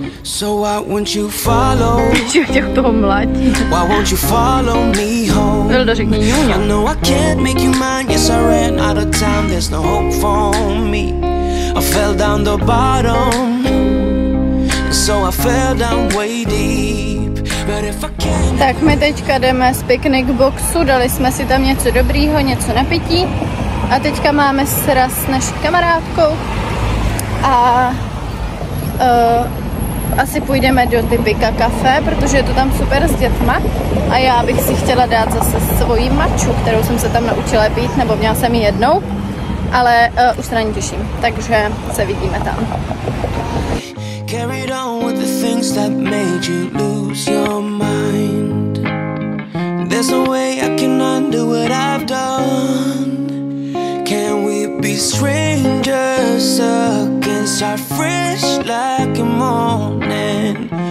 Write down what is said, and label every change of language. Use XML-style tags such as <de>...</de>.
<en>So why won't you follow? Why won't you follow me home? I know I can't make you mine. Yes, I ran out of time. There's no hope for me. I fell down the bottom, so I fell down way deep.</en> <cs>Tak my teďka jdeme z piknik boxu, dali jsme si tam něco dobrýho, něco na pití. A teďka máme sraz s naší kamarádkou a asi půjdeme do Typika kafe, protože je to tam super s dětma. A já bych si chtěla dát zase svoji maču, kterou jsem se tam naučila pít, nebo měla jsem ji jednou, ale už se na ní těším, takže se vidíme tam.</cs> <en>Carried on with the things that made you lose your mind. There's no way I can undo what I've done. Can we be strangers again? Start fresh like a morning.</en>